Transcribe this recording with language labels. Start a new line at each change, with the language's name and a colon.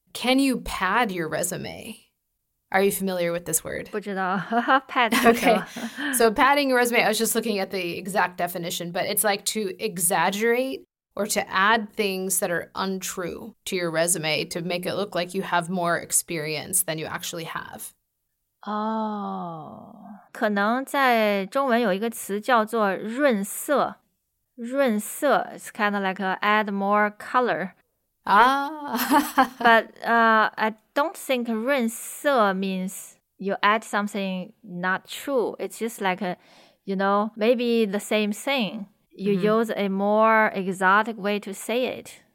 English: Can you pad your resume? Are you familiar with this word?
Chinese: 不知道, pad.
English: Okay, so padding your resume, I was just looking at the exact definition, but it's like to exaggerate or to add things that are untrue to your resume to make it look like you have more experience than you actually have.
Chinese: Oh, 可能在中文有一个词叫做润色。
English: 润色, it's kind of like add more color. But I don't think 润色 means you add something not true. It's just like, you know, maybe the same thing. You use a more exotic way to say it.